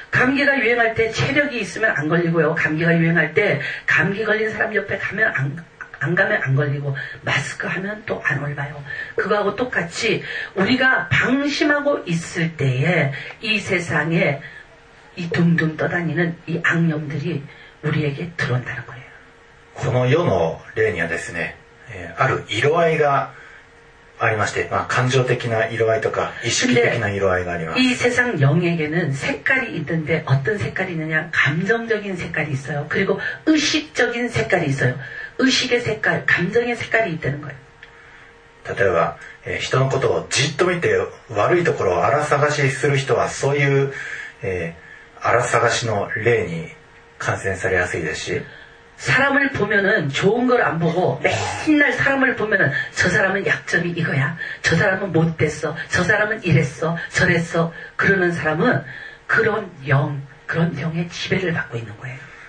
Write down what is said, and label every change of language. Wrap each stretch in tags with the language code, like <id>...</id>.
<ko>감기가 유행할 때 체력이 있으면 안 걸리고요. 감기가 유행할 때 감기 걸린 사람 옆에 가면 안 가면 안 걸리고, 마스크 하면 또 안 올라요. 그거하고 똑같이 우리가 방심하고 있을 때에 이 세상에 이 둥둥 떠다니는 이 악령들이 우리에게 들어온다는 거예요.</ko> <ja>この世の例にはですね、ある色合いがありまして、感情的な色合いとか意識的な色合いがあります。</ja> <ko>이 세상 영에게는 색깔이 있는데 어떤 색깔이 있느냐? 감정적인 색깔이 있어요. 그리고 의식적인 색깔이 있어요. 의식의 색깔, 감정의 색깔이 있다는 거예요.</ko> <ja>例えば 人のことをじっと見て悪いところをあら探しする人はそういう 알아探しの例に感染されやすいですし</ja> <ko>사람을 보면은 좋은 걸 안 보고 맨날 사람을 보면은 저 사람은 약점이 이거야, 저 사람은 못됐어, 저 사람은 이랬어 저랬어 그러는 사람은 그런 영의 지배를 받고 있는 거예요.</ko>